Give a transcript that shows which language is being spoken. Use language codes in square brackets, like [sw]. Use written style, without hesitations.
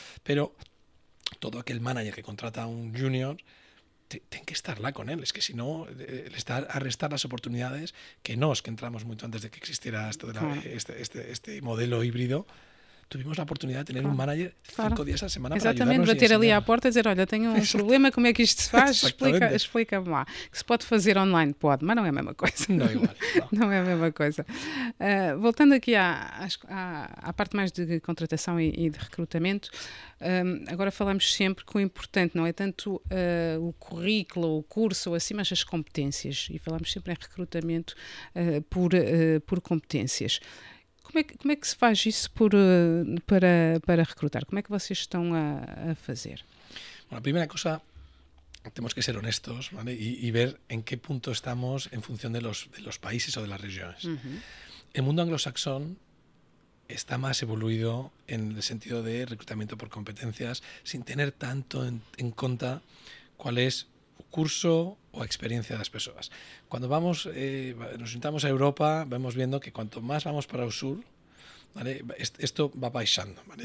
[es] Pero todo aquel manager que contrata a un junior tiene que estar lá con él, es que si no, a restar las oportunidades que entramos mucho antes de que existiera esto de este modelo híbrido, tuvimos la oportunidad de tener, claro, un manager cinco, claro, días a la semana. [pt] Exatamente, para ajudar-nos bater ali à porta e dizer: olha, tenho um problema, como é que isto se faz? Explica-me lá. Que se pode fazer online? Pode, mas não é a mesma coisa. Não é igual. Não é a mesma coisa. Voltando aqui à parte mais de contratação e de recrutamento, agora falamos sempre que o importante não é tanto o currículo, o curso ou assim, mas as competências. E falamos sempre em recrutamento por competências. Como é que se faz isso para recrutar? Como é que vocês estão a fazer? Bom, a primeira coisa, temos que ser honestos, ¿vale? E ver em que ponto estamos em função de los países ou de las regiões. Uh-huh. [es] O mundo anglo-saxón está más evoluido en el sentido de reclutamiento por competencias sin tener tanto en cuenta cuál es el curso o la experiencia de las personas. Cuando vamos, nos juntamos a Europa, vamos viendo que cuanto más vamos para el sur, ¿vale?, esto va bajando, ¿vale?